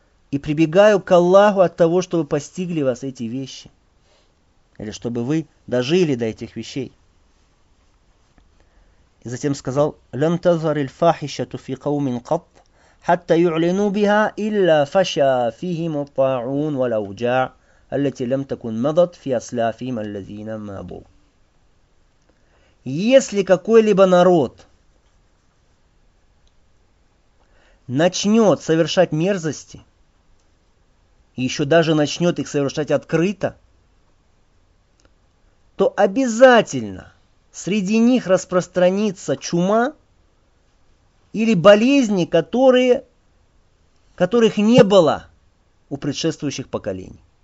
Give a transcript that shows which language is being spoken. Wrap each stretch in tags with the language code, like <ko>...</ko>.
<ru>И прибегаю к Аллаху от того, чтобы постигли вас эти вещи. Или чтобы вы дожили до этих вещей. И затем сказал:</ru> <ar>«Лан тазхар аль-фахишату фи каумин кат, хатта юлину биха илля фаша фихим ат-таун валь-ауджа التي لم تكن مضت في أسلافهم الذين مابوا.</ar> <ru>Если какой-либо народ начнет совершать мерзости, еще даже начнет их совершать открыто, то обязательно среди них распространится чума или болезни, которых не было у предшествующих поколений.</ru>